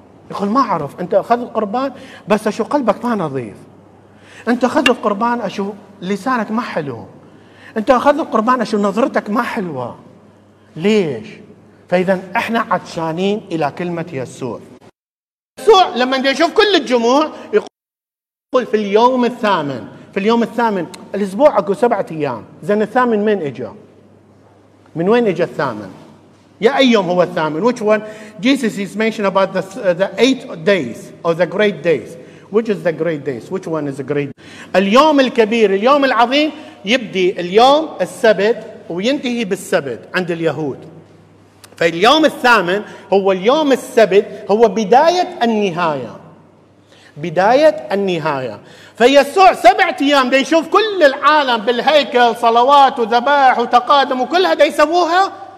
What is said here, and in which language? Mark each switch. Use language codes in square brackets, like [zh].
[ar] يقول ما أعرف، أنت أخذ القربان بس أشو قلبك ما نظيف، أنت أخذ القربان أشو لسانك ما حلو، أنت أخذ القربان أشو نظرتك ما حلوة، ليش؟ فإذا إحنا عطشانين إلى كلمة يسوع. يسوع لما يشوف كل الجموع يقول في اليوم الثامن، في اليوم الثامن الأسبوع أكو 7 أيام، زين الثامن من إجا؟ من وين إجا الثامن؟ يا أي يوم هو الثامن؟ [en] Which one? Jesus is mentioned about the 8 days or the great days. Which is the great days? Which one is the great? [ar] اليوم الكبير، اليوم العظيم يبدي اليوم السبت وينتهي بالسبت عند اليهود. فاليوم الثامن هو اليوم السبت، هو بداية النهاية. بداية النهاية. فيسوع 7 أيام بيشوف كل العالم بالهيكل صلوات وذبائح وتقادم وكلها دا يسووها.